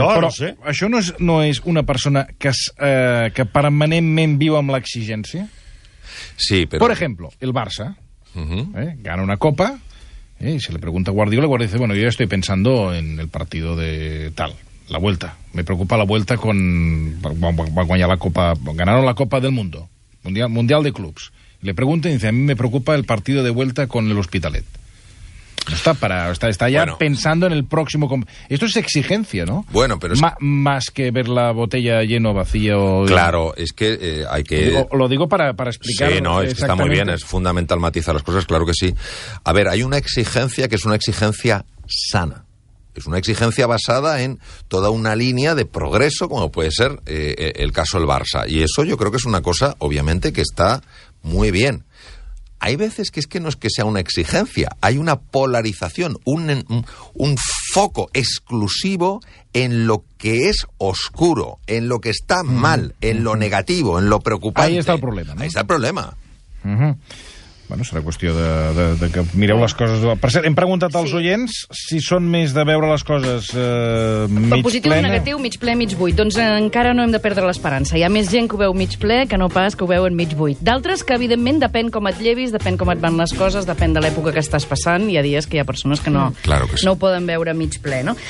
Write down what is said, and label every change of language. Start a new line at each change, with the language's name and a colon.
Catalan: però això no és una persona que permanentment viu amb l'exigència? Sí, però...
Spanish: Por ejemplo, el Barça gana una copa y se le pregunta a Guardiola, Guardiola dice, bueno, yo ya estoy pensando en el partido de tal, la vuelta. Me preocupa la vuelta con... Va a guanyar la copa... Ganaron la Copa del Mundo, Mundial de Clubs. Le pregunta y dice, a mí me preocupa el partido de vuelta con el Hospitalet. No está para, está ya, bueno, pensando en el próximo. Esto es exigencia, ¿no? Bueno, pero más que ver la botella lleno vacío. Claro, es que hay que. Lo digo para explicar. Sí, no, es que está muy bien, es fundamental matizar las cosas, claro que sí. A ver, hay una exigencia que es una exigencia sana. Es una exigencia basada en toda una línea de progreso, como puede ser el caso del Barça. Y eso yo creo que es una cosa, obviamente, que está muy bien. Hay veces que es que no es que sea una exigencia, hay una polarización, un foco exclusivo en lo que es oscuro, en lo que está mal, en lo negativo, en lo preocupante. Ahí está el problema, ¿no? Ahí está el problema.
Catalan: Bueno, serà qüestió de que mireu les coses... Per cert, hem preguntat als oients si són més de veure les coses mig Positiu, negatiu, mig ple, mig buit. Doncs encara no hem de perdre l'esperança. Hi ha més gent que ho veu mig ple que no pas que ho veu en mig buit. D'altres que, evidentment, depèn com et llevis, depèn com et van les coses, depèn de l'època que estàs passant. Hi ha dies que hi ha persones que no ho poden veure mig ple, no?